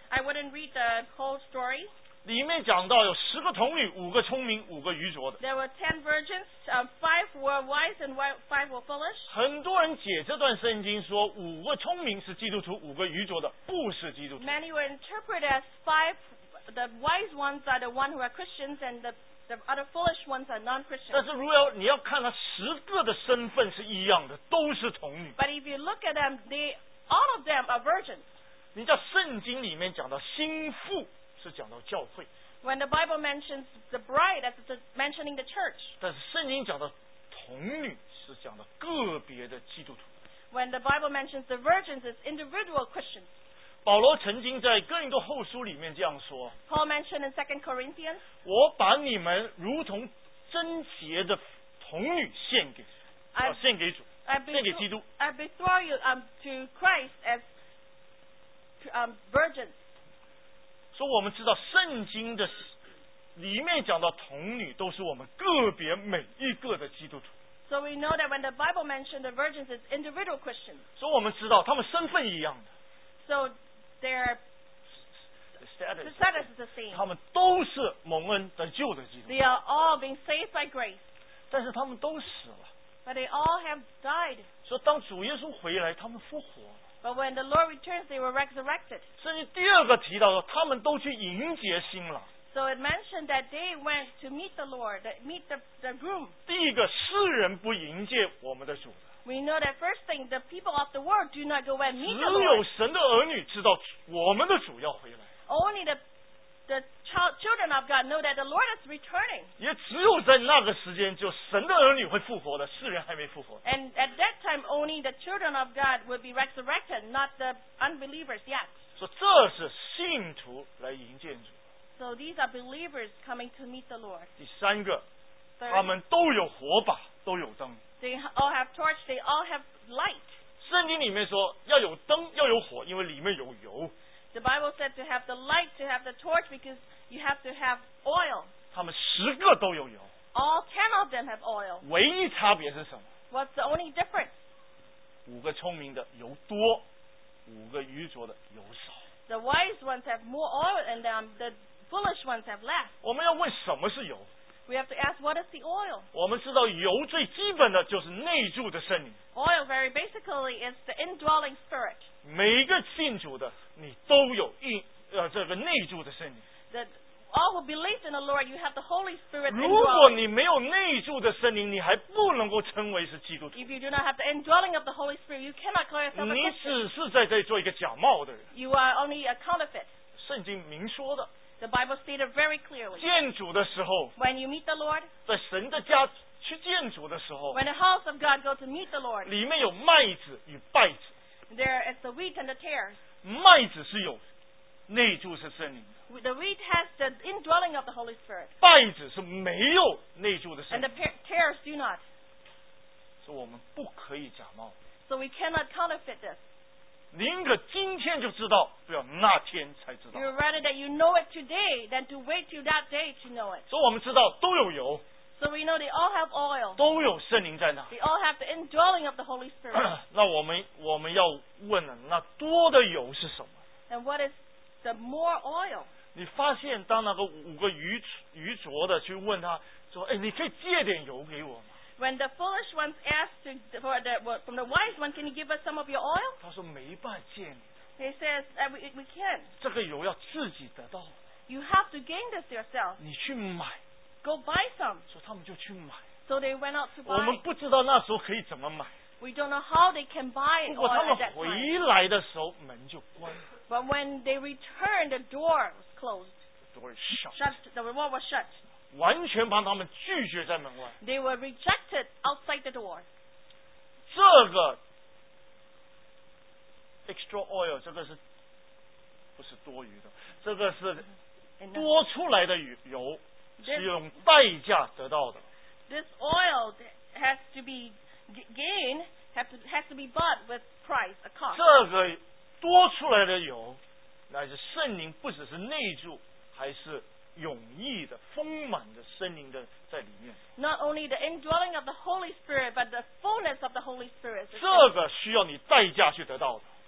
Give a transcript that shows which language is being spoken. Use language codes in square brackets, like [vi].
[en] I wouldn't read the whole story. [zh] 里面讲到有十个童女，五个聪明，五个愚拙的。 [en] There were 10 virgins, five were wise and five were foolish. [zh] 很多人解这段圣经说五个聪明是基督徒，五个愚拙的不是基督徒。 [en] Many were interpreted as five, the wise ones are the one who are Christians and the other foolish ones are non-Christians. [zh] 但是如果你要看他十个的身份是一样的，都是童女。 [en] But if you look at them, all of them are virgins. [zh] 你在圣经里面讲到心腹。 [en] When the Bible mentions the bride, that's mentioning the church. [zh] 但是圣经讲的童女是讲的个别的基督徒。 [en] When the Bible mentions the virgins, it's individual Christians. [zh] 保罗曾经在哥林多后书里面这样说。 [en] Paul mentioned in 2 Corinthians. [zh] 我把你们如同贞洁的童女献给主，献给基督。 [en] I betroth you to Christ as virgins. [zh] 所以我们知道圣经的里面讲到童女都是我们个别每一个的基督徒。 [en] So we know that when the Bible mentioned the virgins, it's individual Christians. [zh] 所以我们知道他们身份一样的。 [en] So their status is the same. [zh] 他们都是蒙恩得救的基督徒。 [en] They are all being saved by grace. [zh] 但是他们都死了。 [en] But they all have died. [zh] 所以当主耶稣回来，他们复活了。 [en] But when the Lord returns, they were resurrected. [zh] 甚至第二个提到说，他们都去迎接新郎。 [en] So it mentioned that they went to meet the Lord, meet the groom. [zh] 第一个，世人不迎接我们的主。 [en] We know that first thing, the people of the world do not go and meet the Lord. [zh] 只有神的儿女知道我们的主要回来。 [en] Only the children of God know that the Lord is returning. [zh] 也只有在那个时间，就神的儿女会复活的，世人还没复活。 [en] And at that time, only the children of God will be resurrected, not the unbelievers yet. [zh] 所以这是信徒来迎接主。 [en] So these are believers coming to meet the Lord. [zh] 第三个，他们都有火把，都有灯。 [en] They all have torch. They all have light. [zh] 圣经里面说要有灯，要有火，因为里面有油。 [en] The Bible said to have the light, to have the torch, because you have to have oil. [zh] 他们十个都有油。 [en] All 10 of them have oil. [zh] 唯一差别是什么？ [en] What's the only difference? [zh] 五个聪明的油多，五个愚拙的油少。 [en] The wise ones have more oil and the foolish ones have less. [zh] 我们要问什么是油？ [en] We have to ask what is the oil? [zh] 我们知道油最基本的就是内住的圣灵。 [en] Oil very basically is the indwelling spirit. [zh] 每个信主的你都有这个内住的圣灵。 [en] All who believe in the Lord, you have the Holy Spirit in you. [zh] 如果你没有内住的圣灵，你还不能够称为是基督徒。 [en] If you do not have the indwelling of the Holy Spirit, you cannot call yourself a Christian. [zh] 你只是在这里做一个假冒的人。 [en] You are only a counterfeit. [zh] 圣经明说的。 [en] The Bible stated very clearly. [zh] 见主的时候。 [en] When you meet the Lord. [zh] 在神的家去见主的时候。 [en] When the house of God go to meet the Lord. [zh] 里面有麦子与稗子。 [en] There is the wheat and the tares. [zh] 麦子是有，内住是圣灵。 [en] The wheat has the indwelling of the Holy Spirit. [zh] 稗子是没有内住的圣灵。 [en] And the tares do not. [zh] 所以我们不可以假冒。 [en] So we cannot counterfeit this. [zh] 宁可今天就知道，不要那天才知道。 [en] You're rather that you know it today than to wait till that day to know it. [zh] 所以我们知道都有油。 [en] So we know they all have oil. [zh] 都有圣灵在那。 [en] They all have the indwelling of the Holy Spirit. [zh] 那我们要问了，那多的油是什么？ [en] And what is the more oil? [zh] 你发现当那个五个愚拙的去问他说，哎，你可以借点油给我吗？ [en] When the foolish ones ask from the wise one, can you give us some of your oil? [zh] 他说没办法借你。 [en] He says that we can. [zh] 这个油要自己得到。 [en] You have to gain this yourself. [zh] 你去买。 [en] Go buy some. [zh] 所以他们就去买。 [en] So they went out to buy. [zh] 我们不知道那时候可以怎么买。 [en] We don't know how they can buy it. [zh] 不过他们回来的时候门就关了。 [en] But when they returned, the door was closed. The door is shut. The wall was shut. [zh] 完全把他们拒绝在门外。 [en] They were rejected outside the door. [zh] 这个 [en] extra oil, [zh] 这个是不是多余的？这个是多出来的油。是用代价得到的。 [en] This oil has to be gained, has to be bought with price, a cost. [zh] 这个多出来的油，乃是圣灵，不只是内住，还是永义的、丰满的圣灵的在里面。 [en] Not only the indwelling of the Holy Spirit, but the fullness of the Holy Spirit. [zh] 这个需要你代价去得到的。